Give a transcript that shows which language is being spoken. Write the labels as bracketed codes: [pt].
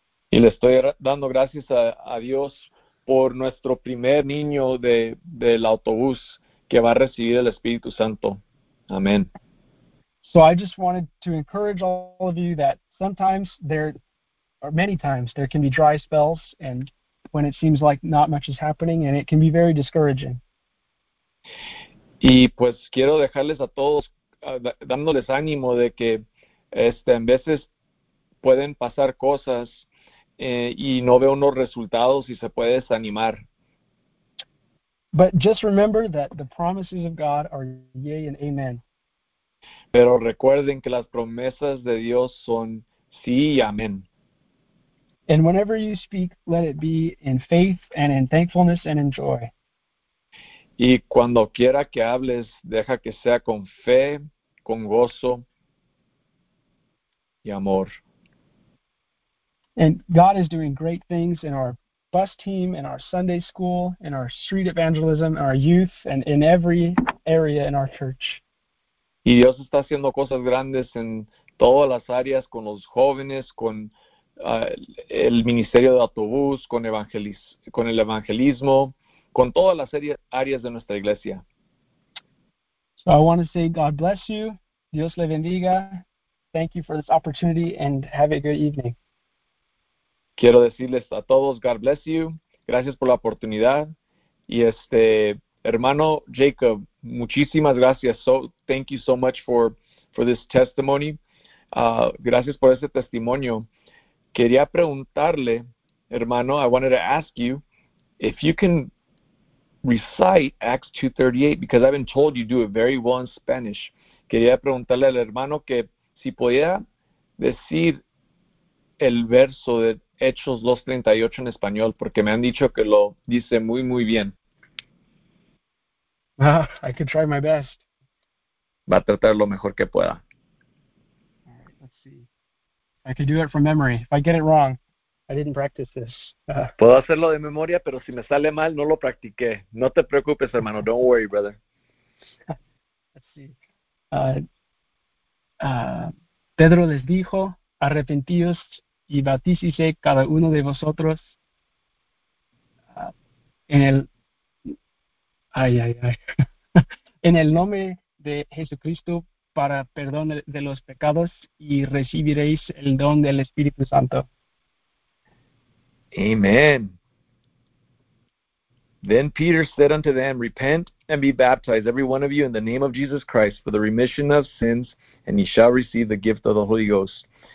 [es] Y le estoy dando gracias a Dios por nuestro primer niño del autobús que va a recibir el Espíritu Santo. Amén. [en] So I just wanted to encourage all of you that sometimes there, or many times, there can be dry spells and when it seems like not much is happening, and it can be very discouraging. [es] Y pues quiero dejarles a todos, dándoles ánimo de que en veces pueden pasar cosas y no veo unos resultados y se puede desanimar. [en] But just remember that the promises of God are yea and amen. [es] Pero recuerden que las promesas de Dios son sí y amén. [en] And whenever you speak, let it be in faith and in thankfulness and in joy. [es] Y cuando quiera que hables, deja que sea con fe, con gozo y amor. [en] And God is doing great things in our bus team, in our Sunday school, in our street evangelism, in our youth, and in every area in our church. [es] Y Dios está haciendo cosas grandes en todas las áreas, con los jóvenes, con el ministerio de autobús, con el evangelismo, con todas las áreas de nuestra iglesia. [en] So I want to say God bless you. [es] Dios le bendiga. [en] Thank you for this opportunity and have a good evening. [es] Quiero decirles a todos, [en] God bless you, [es] gracias por la oportunidad. Y hermano Jacob, muchísimas gracias. [en] Thank you so much for this testimony. [es] Gracias por ese testimonio. Quería preguntarle, hermano, [en] I wanted to ask you if you can recite Acts 2:38, because I've been told you do it very well in Spanish. [es] Quería preguntarle al hermano que si podía decir el verso de Hechos 2:38 en español, porque me han dicho que lo dice muy, muy bien. [en] I could try my best. [es] Va a tratar lo mejor que pueda. [en] Let's see. I could do it from memory. If I get it wrong, I didn't practice this. [es] Puedo hacerlo de memoria, pero si me sale mal, no lo practiqué. No te preocupes, hermano. [en] Don't worry, brother. see. [es] Pedro les dijo, arrepentíos y bautícese cada uno de vosotros en el Ay, ay, ay. En el nombre de Jesucristo para perdón de los pecados y recibiréis el don del Espíritu Santo. [en] Amen. Then Peter said unto them, Repent and be baptized, every one of you, in the name of Jesus Christ, for the remission of sins, and ye shall receive the gift of the Holy Ghost.